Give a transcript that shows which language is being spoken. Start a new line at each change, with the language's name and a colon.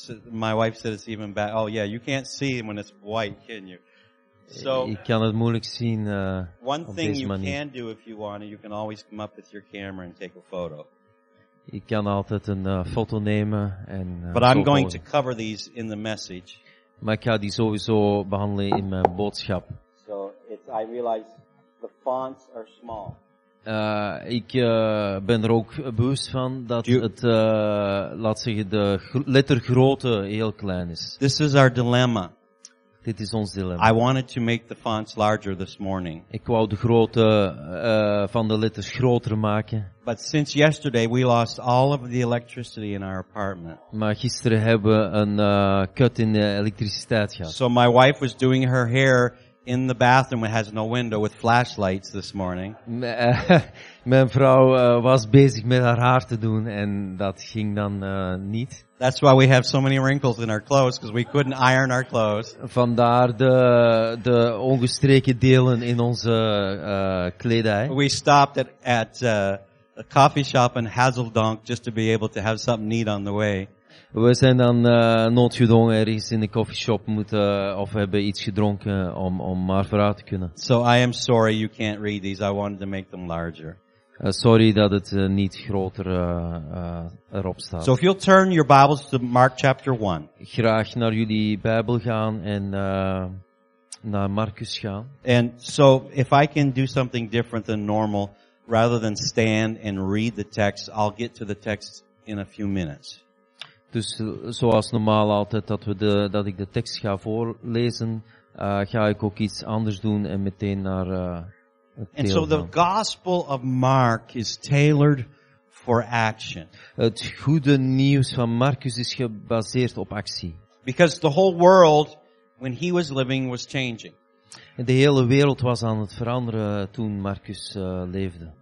English: My wife said it's even bad. Oh yeah, you can't see when it's white, can you? So,
Dutch: ik kan het moeilijk zien
English: one thing
Dutch: op deze manier.
English: You can do if you want, you can always come up with your camera and take a photo.
Dutch: Ik kan altijd een foto nemen en
English: but I'm going to cover these in the message.
Dutch: Maar ik ga die sowieso behandelen in mijn boodschap.
English: So it's, I realize the fonts are small.
Dutch: Ik ben er ook bewust van dat het laat zeggen de lettergrootte heel klein is.
English: This is our dilemma.
Dutch: Dit is ons dilemma.
English: I wanted to make the fonts larger this morning.
Dutch: Ik wou de grootte van de letters groter maken.
English: But since yesterday we lost all of the electricity in our apartment.
Dutch: Maar gisteren hebben we een cut in de elektriciteit gehad.
English: So my wife was doing her hair in the bathroom that has no window with flashlights this morning.
Dutch: Mijn vrouw was bezig met haar haar te doen en dat ging dan niet.
English: That's why we have so many wrinkles in our clothes, because we couldn't iron our clothes.
Dutch: Vandaar de ongestreken delen in onze kledij.
English: We stopped at a coffee shop in Hazeldonk just to be able to have something neat on the way.
Dutch: We zijn dan noodgedwongen ergens in de coffeeshop moeten of hebben iets gedronken om maar vooruit te kunnen.
English: So I am sorry you can't read these. I wanted to make them larger.
Dutch: Sorry dat het niet groter erop staat.
English: So if you'll turn your Bibles to Mark chapter 1.
Dutch: Graag naar jullie Bijbel gaan en naar Marcus gaan.
English: And so if I can do something different than normal, rather than stand and read the text, I'll get to the text in a few minutes.
Dutch: Dus zoals normaal altijd dat ik de tekst ga voorlezen, ga ik ook iets anders doen en meteen naar
English: And so the gospel of Mark is tailored for action.
Dutch: Het goede nieuws van Marcus is gebaseerd op actie.
English: Because the whole world, when he was living, was changing.
Dutch: De hele wereld was aan het veranderen toen Marcus leefde.